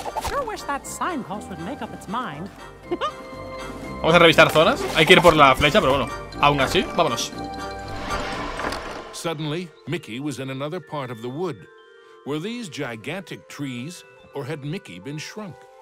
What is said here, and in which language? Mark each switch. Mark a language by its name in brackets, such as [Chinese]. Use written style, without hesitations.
[English] Sure wish that signpost would make up its mind. [Spanish] Vamos a revisar zonas. Hay que ir por la flecha, pero bueno, aún así, vámonos. [English] Suddenly, Mickey was in another part of the wood. Were these gigantic trees, or had Mickey been shrunk?